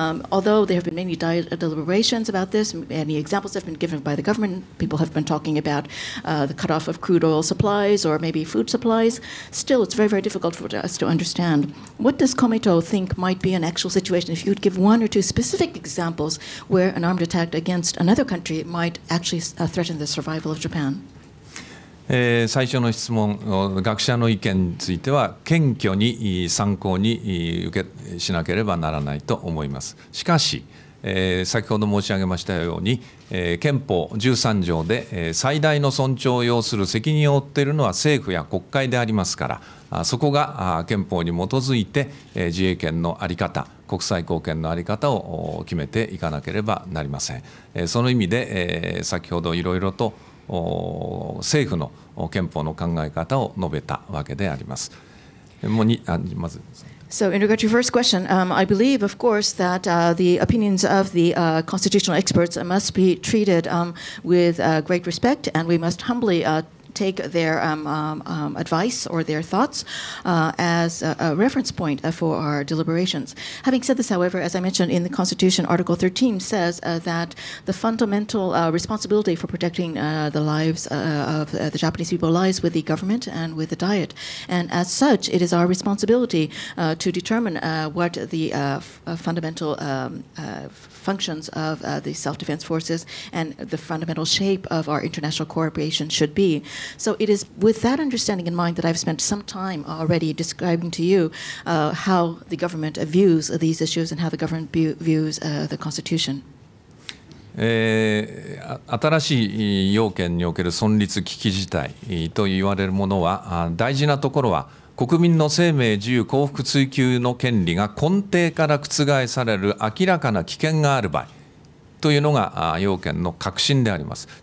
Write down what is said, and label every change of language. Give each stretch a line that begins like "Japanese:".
English: Although there have been many deliberations about this, many examples have been given by the government, people have been talking about the cutoff of crude oil supplies or maybe food supplies, still it's very, very difficult for us to understand. What does Komeito think might be an actual situation, if you would give one or two specific examples where an armed attack against another country might actually threaten the survival of Japan?
Japanese: 最初の質問、学者の意見については謙虚に参考に受けしなければならないと思います。しかし、先ほど申し上げましたように、憲法13条で最大の尊重を要する責任を負っているのは政府や国会でありますから、そこが憲法に基づいて自衛権の在り方、国際貢献の在り方を決めていかなければなりません。その意味で先ほどいろいろと政府の憲法の考え方を述べたわけであります。まず、
English: So in regard to your first question, I believe, of course, that the opinions of the constitutional experts must be treated with great respect, and we must humbly take their advice or their thoughts as a reference point for our deliberations. Having said this, however, as I mentioned in the Constitution, Article 13 says that the fundamental responsibility for protecting the lives of the Japanese people lies with the government and with the Diet. And as such, it is our responsibility to determine what the fundamental functions of the self-defense forces and the fundamental shape of our international cooperation should be. So it is with that understanding in mind that I've spent some time already describing to you how the government views these issues and how the government views the Constitution.
Japanese: 新しい要件における存立危機事態と言われるものは、大事なところは国民の生命自由幸福追求の権利が根底から覆される明らかな危険がある場合というのが要件の核心であります。